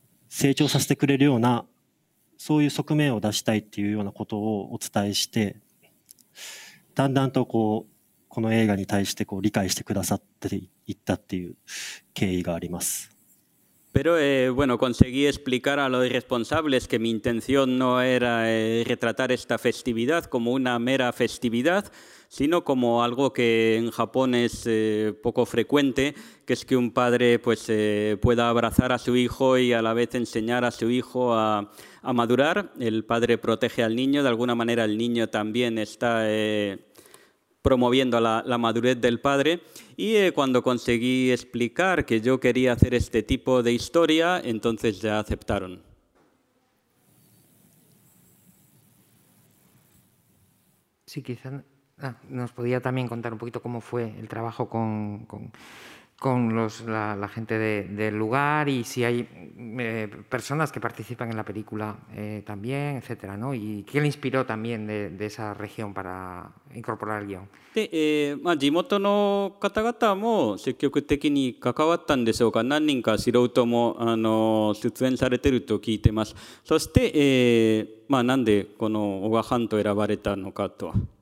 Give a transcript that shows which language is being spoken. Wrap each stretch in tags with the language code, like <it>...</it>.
<ja>成長させてくれるような、そういう側面を出したいっていうようなことをお伝えして、だんだんとこうこの映画に対してこう理解してくださっていったっていう経緯があります。</ja> <es>Pero bueno, conseguí explicar a los responsables que mi intención no era retratar esta festividad como una mera festividad, sino como algo que en Japón es poco frecuente, que es que un padre pues, pueda abrazar a su hijo y a la vez enseñar a su hijo a madurar. El padre protege al niño, de alguna manera el niño también está promoviendo la madurez del padre. Y cuando conseguí explicar que yo quería hacer este tipo de historia, entonces ya aceptaron. Sí, quizá nos podía también contar un poquito cómo fue el trabajo con los, la gente del lugar y si hay personas que participan en la película también, etcétera, ¿no? ¿Y qué le inspiró también de esa región para incorporar el guión?</es> <ja>で、地元の方々も積極的に関わったんでしょうか。何人か素人も出演されてると聞いてます。そして、なんでこの小川半島選ばれたのかと。</ja>